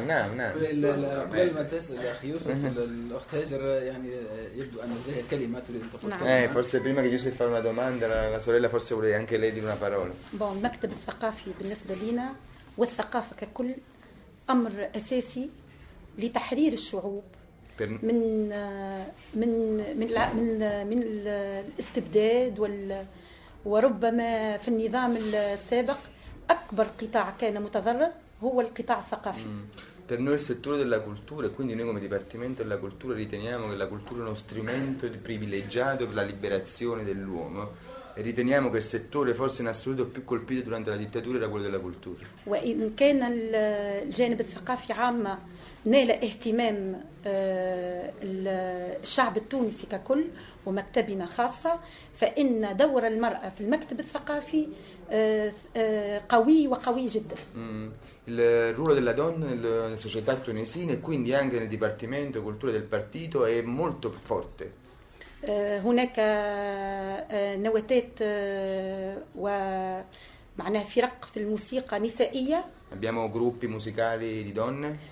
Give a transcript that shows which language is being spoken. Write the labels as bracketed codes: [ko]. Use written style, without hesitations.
[ar] قبل ما تسال اخي يوسف الاخت هاجر يعني يبدو ان لديها كلمه تريد ان تقول [it] forse prima che Yusuf fare una domanda la sorella forse vuole anche lei dire una parola. [ar] المكتب الثقافي بالنسبة لنا والثقافة ككل أمر أساسي لتحرير الشعوب من الاستبداد وربما في النظام السابق أكبر قطاع كان متضرر هو القطاع الثقافي. [it] Per noi il settore della cultura, e quindi noi come Dipartimento della Cultura riteniamo che la cultura è uno strumento privilegiato per la liberazione dell'uomo. E riteniamo che il settore forse in assoluto più colpito durante la dittatura era quello della cultura. [ar] وإن كان الجانب الثقافي عامة نال اهتمام الشعب التونسي ككل ومكتبنا خاصة فإن دور المرأة في المكتب الثقافي قوي وقوي جدا. [it] Il ruolo della donna nella società tunisina e quindi anche nel Dipartimento Cultura del Partito è molto forte. [ar] هناك نواتات ومعناها فرق في الموسيقى نسائية. [it] Abbiamo gruppi musicali di donne.